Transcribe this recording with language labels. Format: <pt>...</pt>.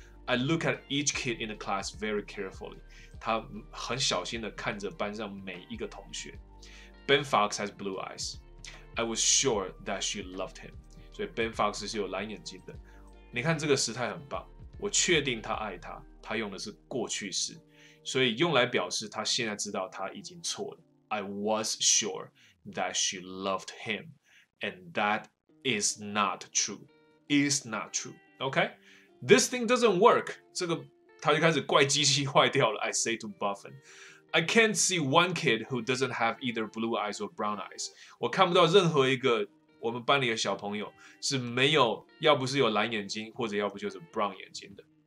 <en>I look at each kid in the class very carefully，</en> <zh>他很小心的看着班上每一个同学。</zh> <en>Ben Fox has blue eyes， I was sure that she loved him，</en> <zh>所以 Ben Fox 是有蓝眼睛的。你看这个时态很棒，我确定他爱他，他用的是过去式。所以用来表示他现在知道他已经错了。</zh> <en>I was sure that she loved him, and that is not true. Is not true. Okay, this thing doesn't work.</en> <zh>这个他就开始怪机器坏掉了。</zh> <en>I say to Buffin, I can't see one kid who doesn't have either blue eyes or brown eyes.</en> <zh>我看不到任何一个我们班里的小朋友是没有，要不是有蓝眼睛，或者要不就是 brown 眼睛的。</zh>